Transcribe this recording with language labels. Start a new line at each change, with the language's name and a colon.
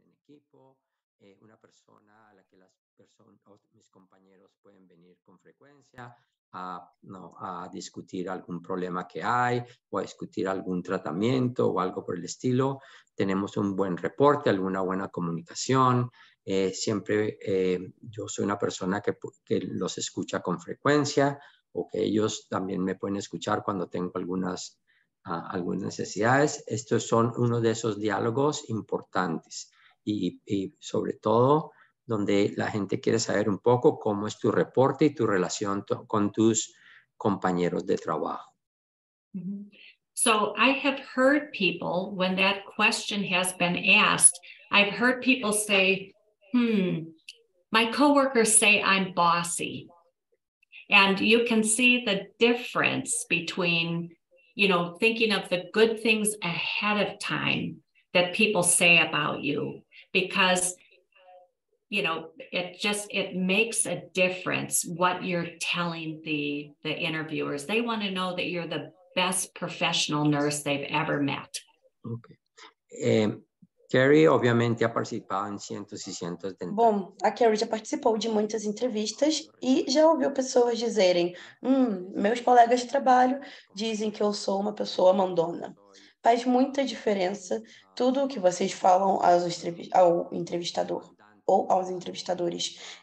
Portuguese: Uma pessoa a que as pessoas, meus companheiros, podem vir com frequência a discutir algum problema que há, ou a discutir algum tratamento ou algo
Spanish: por el estilo. Tenemos un buen reporte, alguna buena comunicación. Siempre yo soy una persona que los escucha con frecuencia o que ellos también me pueden escuchar cuando tengo algunas necesidades. Estos son uno de esos diálogos importantes y sobre todo donde la gente quiere saber un poco cómo es tu reporte y tu relación con tus compañeros de trabajo.
English: So I have heard people, when that question has been asked, I've heard people say, my coworkers say I'm bossy. And you can see the difference between, you know, thinking of the good things ahead of time that people say about you, because, you know, it makes a difference what you're telling the interviewers. They want to know that you're the best professional nurse they've ever met. Okay.
Spanish: Carrie, obviamente, ha participado em cientos e cientos de...
Portuguese: Bom, a Carrie já participou de muitas entrevistas e já ouviu pessoas dizerem, meus colegas de trabalho dizem que eu sou uma pessoa mandona. Faz muita diferença tudo o que vocês falam ao entrevistador ou aos entrevistadores.